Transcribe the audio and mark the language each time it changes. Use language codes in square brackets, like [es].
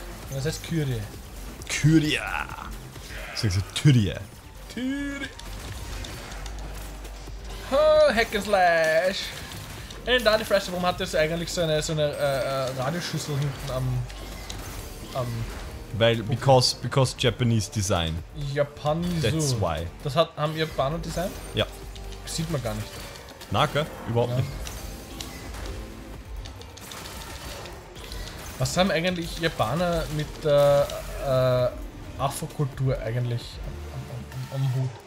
[de] Was heißt Kyrie? Kyrie! Ich sag so Tyrie. Tyrie! [en] Oh, Hack and Slash! [de] In deine Fresse, warum hat der eigentlich so eine Radioschüssel hinten am. Weil, [en] well, because Japanese Design. Japanese. That's why. [de] Das haben Japaner Design? Ja. Sieht man gar nicht. Na, gell? Überhaupt nicht. Was haben eigentlich Japaner mit der Afro-Kultur eigentlich am Hut?